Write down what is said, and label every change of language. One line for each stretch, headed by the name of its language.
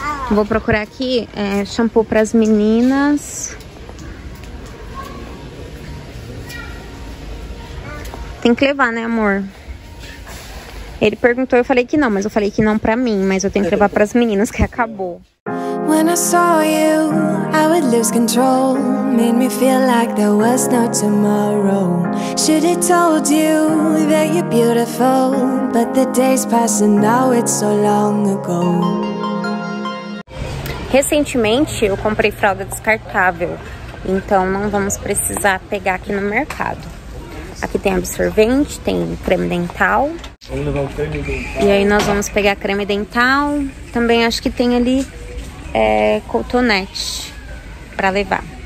Portuguese: Vou procurar aqui, shampoo pras meninas. Tem que levar, né, amor? Ele perguntou, eu falei que não, mas eu falei que não pra mim, mas eu tenho que levar pras meninas, que acabou.
English: When I saw you, I would lose control. Made me feel like there was no tomorrow. Should have told you that you're beautiful, but the days pass and now it's so long ago.
Portuguese: Recentemente eu comprei fralda descartável, então não vamos precisar pegar aqui no mercado. Aqui tem absorvente, tem creme dental. Vamos levar o creme dental. E aí nós vamos pegar creme dental. Também acho que tem ali cotonete pra levar.